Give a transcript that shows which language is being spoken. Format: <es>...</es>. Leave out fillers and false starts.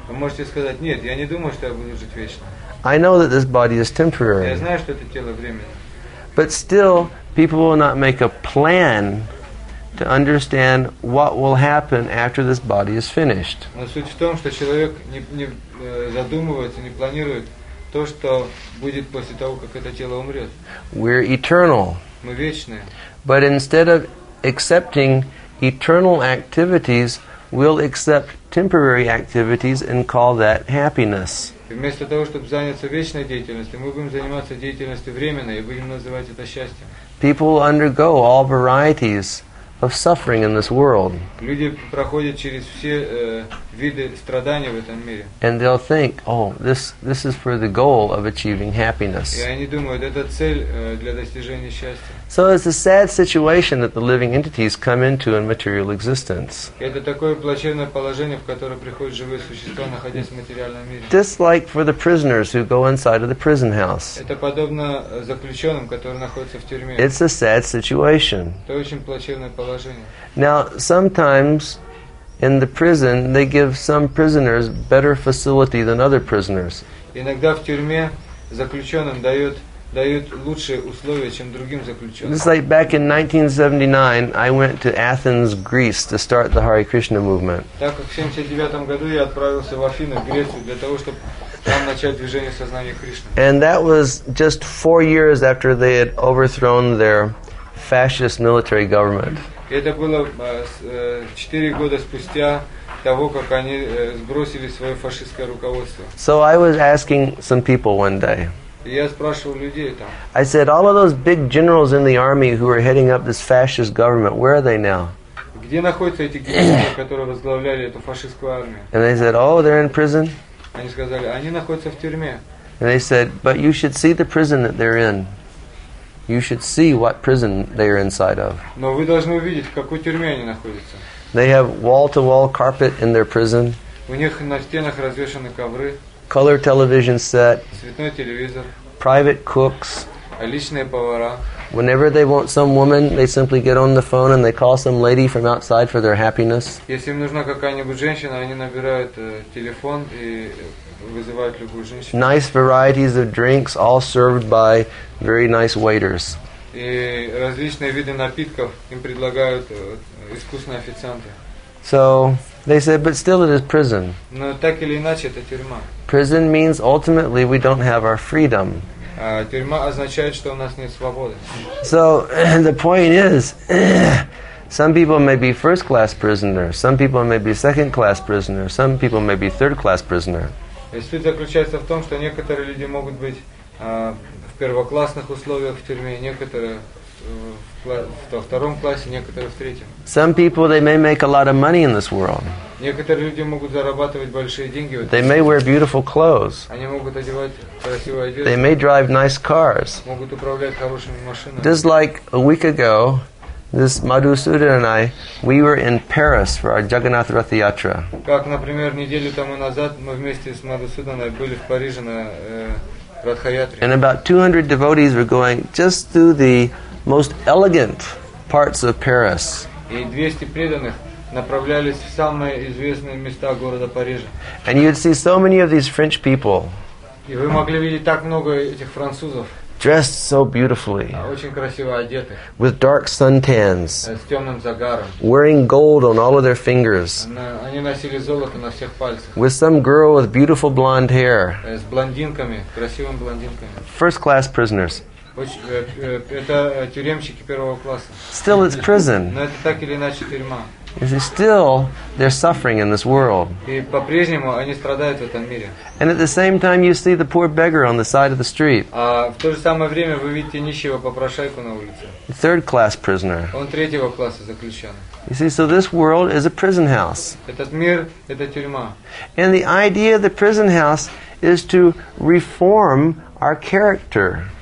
<ru>Вы можете сказать, нет, я не думаю, что я буду жить вечно.</ru> <en>I know that this body is temporary.</en> <ru>Я знаю, что это тело временное.</ru> <en>But still, people will not make a plan to understand what will happen after this body is finished.</en> <ru>Но суть в том, что человек не задумывается, не планирует то, что будет после того, как это тело умрет.</ru> <en>We're eternal.</en> <ru>Мы вечные.</ru> <en>But instead of accepting eternal activities, we'll accept temporary activities and call that happiness.</en> <ru>Вместо того, чтобы заняться вечной деятельностью, мы будем заниматься деятельностью временной и будем называть это счастьем.</ru> <en>People undergo all varieties of suffering in this world.</en> <ru>Люди проходят через все виды страдания в этом мире.</ru> <en>And they'll think, oh, this is for the goal of achieving happiness.</en> <ru>И они думают, это цель для достижения счастья.</ru> <en>So it's a sad situation that the living entities come into in material existence.</en> <ru>Это такое плачевное положение, в которое приходят живые существа, находясь в материальном мире.</ru> <en>Just like for the prisoners who go inside of the prison house.</en> <ru>Это подобно заключенным, которые находятся в тюрьме.</ru> <en>It's a sad situation.</en> <ru>Это очень плачевное положение.</ru> <en>Now, sometimes in the prison, they give some prisoners better facility than other prisoners.</en> <ru>Иногда в тюрьме заключенным дают лучшие условия, чем другим заключенным.</ru> <en>It's like back in 1979, I went to Athens, Greece, to start the Hare Krishna movement.</en> <ru>Так как в 79 году я отправился в Афины, в Грецию, для того, чтобы там начать движение сознания Кришны.</ru> <en>And that was just 4 years after they had overthrown their fascist military government.</en> <ru>Это было 4 года спустя того, как они сбросили свое фашистское руководство.</ru> <en>So I was asking some people one day.</en> <ru>Я спрашивал людей там.</ru> <en>I said, all of those big generals in the army who are heading up this fascist government, where are they now?</en> <ru>Где находятся эти генералы, которые возглавляли эту фашистскую армию?</ru> <en>And they said, oh, they're in prison.</en> <ru>Они сказали, они находятся в тюрьме.</ru> <en>And they said, but you should see the prison that they're in. You should see what prison they are inside of.</en> <ru>Но вы должны увидеть, в какой тюрьме они находятся.</ru> <en>They have wall-to-wall carpet in their prison.</en> <ru>У них на стенах развешаны ковры.</ru> <en>Color television set.</en> <ru>Цветной телевизор.</ru> <en>Private cooks.</en> <ru>Личные повара.</ru> <en>Whenever they want some woman, they simply get on the phone and they call some lady from outside for their happiness.</en> <ru>Если им нужна какая-нибудь женщина, они набирают телефон и вызывают любую женщину.</ru> <en>Nice varieties of drinks, all served by very nice waiters.</en> <ru>И различные виды напитков им предлагают искусные официанты.</ru> <en>So they said, but still it is prison.</en> <ru>Но так или иначе это тюрьма.</ru> <en>Prison means ultimately we don't have our freedom.</en> <ru>Тюрьма означает, что у нас нет свободы.</ru> <en>So the point is, some people may be first-class prisoners, some people may be second-class prisoners, some people may be third-class prisoners.</en> <ru>Суть заключается в том, что некоторые люди могут быть в первоклассных условиях в тюрьме, некоторые во втором классе, некоторые в третьем.</ru> <en>Some people, they may make a lot of money in this world.</en> <ru>Некоторые люди могут зарабатывать большие деньги.</ru> <en>They may wear beautiful clothes.</en> <ru>Они могут одевать красивую одежду.</ru> <en>They may drive nice cars.</en> <ru>Могут управлять хорошими машинами.</ru> <en>Just like a week ago, this Madhusudan and I, we were in Paris for our Jagannath Rath Yatra.</en> <ru>Как, например, неделю тому назад мы вместе с Мадхусуданой были в Париже на Радха-ятре.</ru> <en>And about 200 devotees were going just through the most elegant parts of Paris.</en> <ru>И 200 преданных направлялись в самые известные места города Парижа.</ru> <en>And you'd see so many of these French people.</en> <ru>И вы могли видеть так много этих французов.</ru> <en>Dressed so beautifully.</en> <ru>Очень красиво одеты.</ru> <en>With dark suntans.</en> <ru>С темным загаром.</ru> <en>Wearing gold on all of their fingers.</en> <ru>Они носили золото на всех пальцах.</ru> <en>With some girl with beautiful blonde hair.</en> <ru>С блондинками, красивым блондинками.</ru> <en>First class prisoners.</en> <ru>Это тюремщики первого класса.</ru> <en>Still it's prison.</en> <ru>Но это так или иначе тюрьма.</ru> <en>Is it still they're suffering in this world?</en> <ru>И по-прежнему они страдают в этом мире.</ru> <en>And at the same time, you see the poor beggar on the side of the street.</en> <ru>А в то же самое время вы видите нищего попрошайку на улице.</ru> <en>Third class prisoner.</en> <ru>Он третьего класса заключенный.</ru> <en>You see, so this world is a prison house.</en> <ru>Этот мир — это тюрьма.</ru> <en>And the idea of the prison house is to reform our character.</en>